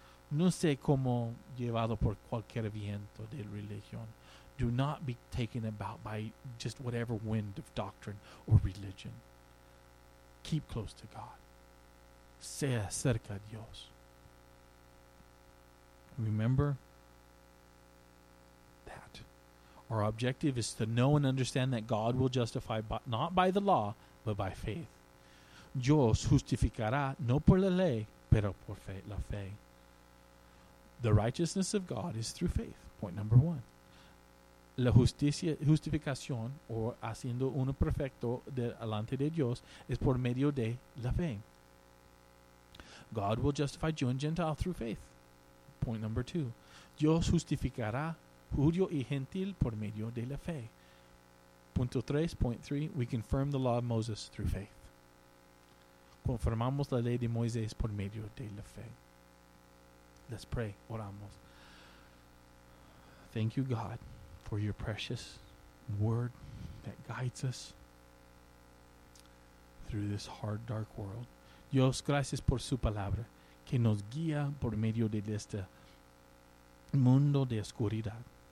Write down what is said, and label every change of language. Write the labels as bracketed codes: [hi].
[es] No sé cómo llevado por cualquier viento de religión. [en] Do not be taken about by just whatever wind of doctrine or religion. Keep close to God. [es] Sea cerca a Dios. [en] Remember that. Our objective is to know and understand that God will justify by, not by the law, but by faith. [es] Dios justificará no por la ley, pero por fe, la fe. [en] The righteousness of God is through faith. Point number one. [es] La justicia, justificación, o haciendo uno perfecto delante de Dios, es por medio de la fe. [en] God will justify Jew and Gentile through faith. Point number two. [es] Dios justificará judío y gentil por medio de la fe. Punto tres, [en] point three. We confirm the law of Moses through faith. [es] Confirmamos la ley de Moisés por medio de la fe. [en] Let's pray. [es] Oramos. [en] Thank you, God, for your precious word that guides us through this hard, dark world. [es] Dios, gracias por su palabra que nos guía por medio de este mundo de oscuridad.